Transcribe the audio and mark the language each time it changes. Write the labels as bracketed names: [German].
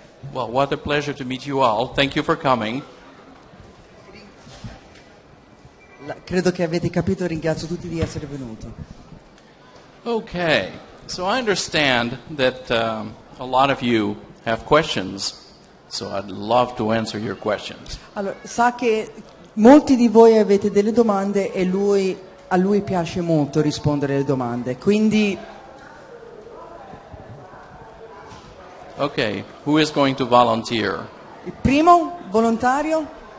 [English] What a pleasure to meet you all. Thank you for coming. [Italian] Credo che avete capito, ringrazio tutti di essere venuti. [English] Okay, so I understand that a lot of you have questions, so I'd love to answer your questions. [Italian] Allora, sa che molti di voi avete delle domande e a lui piace molto rispondere alle domande, quindi... [English] Okay, who is going to volunteer? [Italian] Il primo volontario?